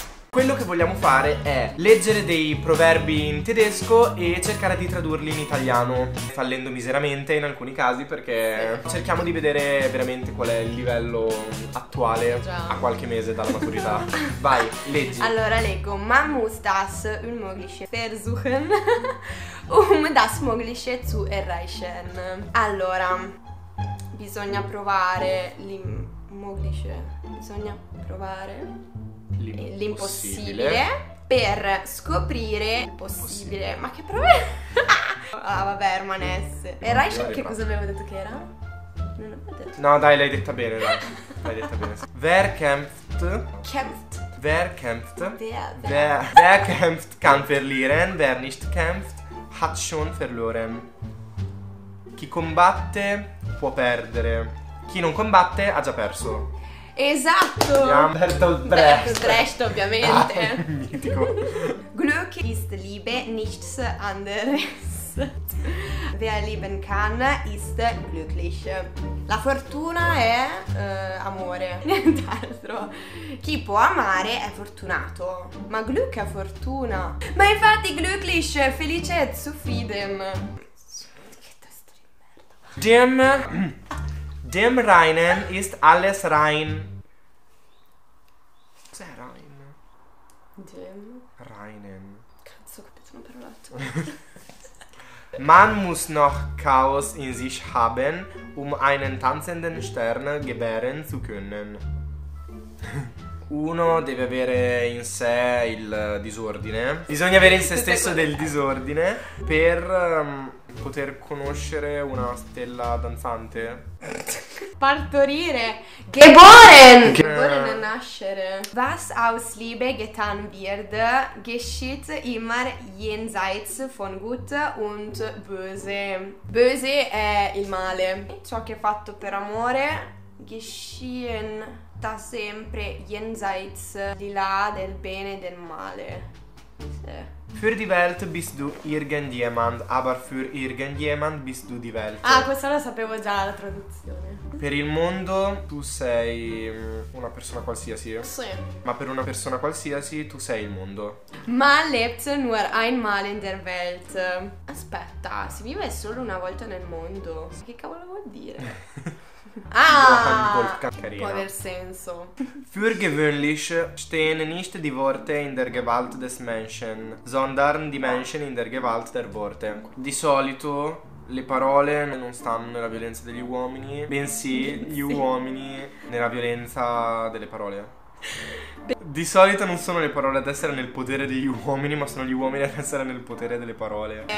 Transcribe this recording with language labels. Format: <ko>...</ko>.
<it>Quello che vogliamo fare è leggere dei proverbi in tedesco e cercare di tradurli in italiano, fallendo miseramente in alcuni casi, perché cerchiamo di vedere veramente qual è il livello attuale a qualche mese dalla maturità. Vai, leggi. Allora leggo:</it> <de>Man muss das unmögliche versuchen, um das mögliche zu erreichen.</de> <it>Allora, bisogna provare l'unmögliche. Bisogna provare l'impossibile per scoprire il possibile. Ma che prove? Ah, vabbè, rimanesse. E Raichel, che cosa avevo detto che era? Non ho detto. No, dai, l'hai detta bene. L'hai detta bene. Verkämpft.</it> <de>Kämpft. Verkämpft. Wer kämpft kann verlieren. Wer nicht kämpft hat schon verloren.</de> <it>Chi combatte può perdere. Chi non combatte ha già perso. Esatto! Bertolt Brecht! Brecht, ovviamente! Mitico!</it> <de>Glück ist Liebe, nichts anderes. Wer lieben kann, ist glücklich.</de> <it>La fortuna è amore, nient'altro. Chi può amare è fortunato. Ma Glück è fortuna. Ma infatti glücklich, felice, zufrieden. Che testa di merda.</it> <de>Dem Reinen ist alles rein.</de> <it>Cos'è rein?</it> <de>Dem Reinen.</de> <it>Cazzo, ho capito una parola.</it> <de>Man muss noch Chaos in sich haben, um einen tanzenden Stern gebären zu können.</de> <it>Uno deve avere in sé il disordine. Bisogna avere in se stesso del disordine per poter conoscere una stella danzante. Partorire. Geboren. Geboren è nascere.</it> <de>Was aus Liebe getan wird, geschieht immer jenseits von gut und böse.</de> <it>Böse è il male. Ciò che è fatto per amore geschieht da sempre jenseits, di là del bene e del male.</it> <de>Für die Welt bist du irgendjemand, aber für irgendjemand bist du die Welt.</de> <it>Ah, questa la sapevo già, la traduzione. Per il mondo tu sei una persona qualsiasi. Sì. Ma per una persona qualsiasi tu sei il mondo.</it> <de>Man lebt nur einmal in der Welt.</de> <it>Aspetta, si vive solo una volta nel mondo. Che cavolo vuol dire? Ah, può aver senso.</it> <de>Für gewöhnlich stehen nicht die Worte in der Gewalt des Menschen, sondern die Menschen in der Gewalt der Worte.</de> <it>Di solito le parole non stanno nella violenza degli uomini, bensì gli uomini nella violenza delle parole. Di solito non sono le parole ad essere nel potere degli uomini, ma sono gli uomini ad essere nel potere delle parole.</it>